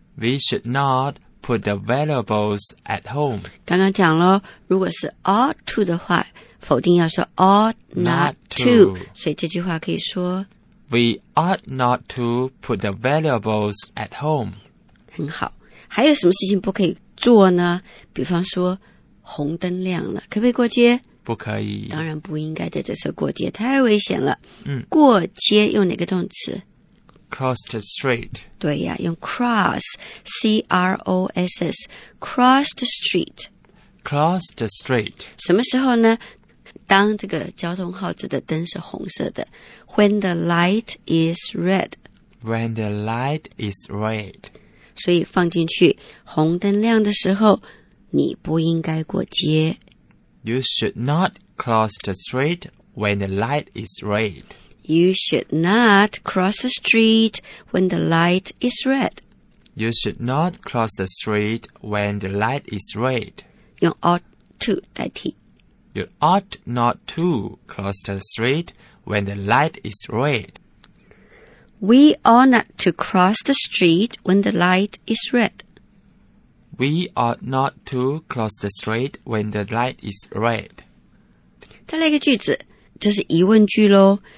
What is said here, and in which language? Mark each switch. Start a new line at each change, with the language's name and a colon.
English: We should not put the valuables at home.
Chinese: 刚刚讲了，如果是 ought to 的话，否定要说 ought not to. 所以这句话可以说
English: We ought not to put the valuables at home.
Chinese: 很好。还有什么事情不可以做呢？比方说红灯亮了，可不可以过街？不可以。当然不应该在这时候过街，太危险了。嗯，过街用哪个动词？
English: Cross the street.
Chinese: 对呀，用
English: cross, C-R-O-S-S, cross the street. Cross the street.
Chinese: 什么时候呢？当这个交通号子的灯是红色的。
English: When the light is red. When the light is red.
Chinese: 所以放进去，红灯亮的时候，你不应该过街。
English: You should not cross the street when the light is red. You should not cross the street when the light is red. You should not cross the street when the light is red.
Chinese: 用 ought to 代替。
English: You ought not to cross the street when the light is red. We ought not to cross the street when the light is red. We ought not to cross the street when the light is red.
Chinese: 再来一个句子，这是疑问句咯。